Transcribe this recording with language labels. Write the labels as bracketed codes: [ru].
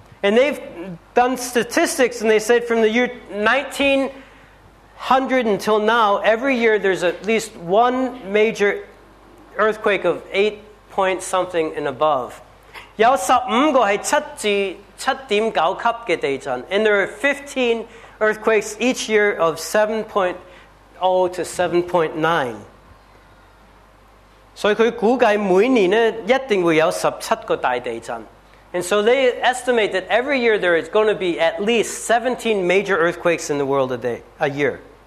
[en] And they've done statistics, and they said from the year 1900 until now, every year there's at least one major earthquake of 8-point-something and above. [zh] 有15个是7至7.9级的地震, [en] and there are 15 earthquakes each year of 7.0 to 7.9. [zh] 所以他估计每年一定会有17个大地震. [en] And so they estimate that every year there is going to be at least 17 major earthquakes in the world a year.